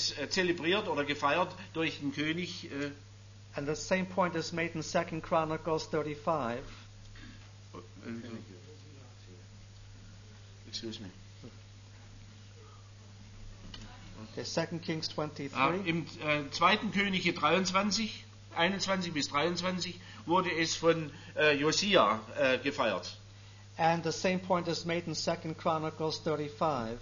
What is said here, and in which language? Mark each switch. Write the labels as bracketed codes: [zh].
[de] Zelebriert oder gefeiert durch den König. [en] And the same point is made in 2 Chronicles 35. Excuse me. Okay, 2 Kings 23. [de] Im 2. Könige 23, 21 bis 23 wurde es von Josiah gefeiert. [en] And the same point is made in 2 Chronicles 35.